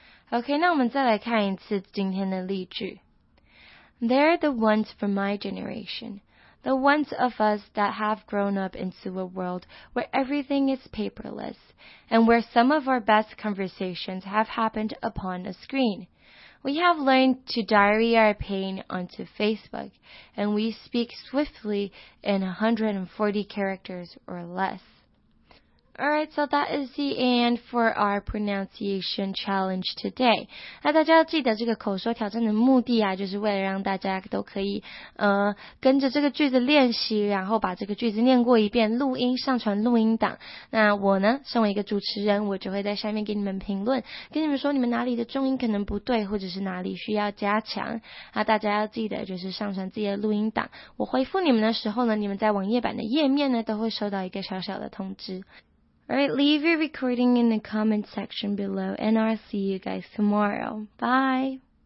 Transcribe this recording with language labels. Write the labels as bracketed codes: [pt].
[zh] OK， 那我们再来看一次今天的例句。 [en] They're the ones from my generation, the ones of us that have grown up into a world where everything is paperless and where some of our best conversations have happened upon a screenWe have learned to diary our pain onto Facebook, and we speak swiftly in 140 characters or less. Alright, so that is the end for our pronunciation challenge today. [zh] 那大家要记得这个口说挑战的目的啊，就是为了让大家都可以跟着这个句子练习，然后把这个句子念过一遍，录音上传录音档。那我呢，身为一个主持人，我就会在下面给你们评论，跟你们说你们哪里的重音可能不对，或者是哪里需要加强。那大家要记得就是上传自己的录音档，我回复你们的时候呢，你们在网页版的页面呢都会收到一个小小的通知。 [en] Alright, leave your recording in the comment section below, and I'll see you guys tomorrow. Bye!